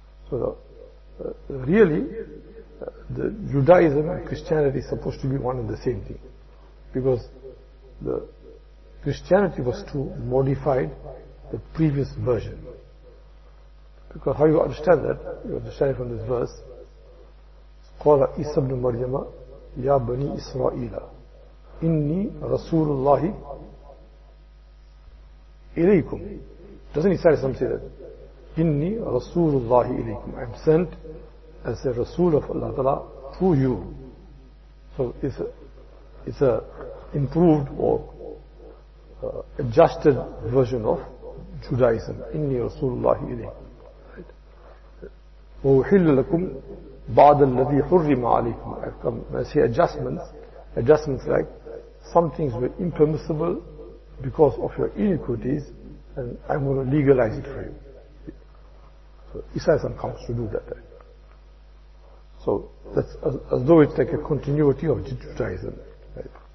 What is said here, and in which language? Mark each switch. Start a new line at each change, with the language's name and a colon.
English: So the Judaism and Christianity is supposed to be one and the same thing, because the Christianity was to modify the previous version. Because how you understand that? You understand it from this verse.
Arabic: قال عيسى بن مريم يا بني إسرائيل إني رسول الله إليكم.
English: Doesn't Isa al-Islam say that?
Arabic: إني رسول الله إليكم.
English: I'm sent as a Rasul of Allah Ta'ala to you. So it's a improved or adjusted version of Judaism.
Arabic: إني رسول الله إليكم. وأحل لكم بعض الذي حرم عليكم.
English: I've come. When I say adjustments like some things were impermissible because of your iniquities, and I'm going to legalize it for you. So Isa comes to do that. So that's as though it's like a continuity of Judaism. Right?